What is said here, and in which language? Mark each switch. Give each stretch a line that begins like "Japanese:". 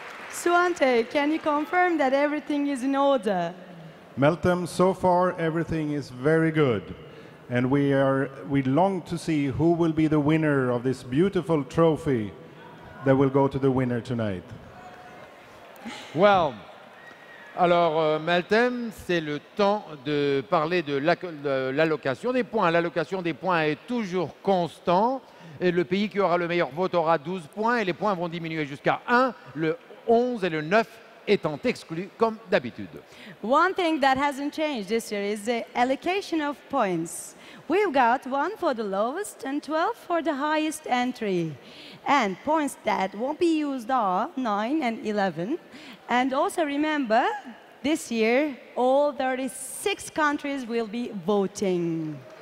English: Suante, can you confirm that everything is in order? Meltem, so far everything is very good. And we long to see who will be the winner of this beautiful trophy that will go to the winner tonight. Well,
French: alors Meltem, c'est le temps de parler de l'allocation des points. L'allocation des points est toujours constant. Et le pays qui aura le meilleur vote aura 12 points et les points vont diminuer jusqu'à 1, le 11 et le 9 étant exclus comme d'habitude.
English: One thing that hasn't changed this year is the allocation of points. We've got 1 for the lowest and 12 for the highest entry. And points that won't be used are 9 and 11. And also remember, this year all 36 countries will be voting.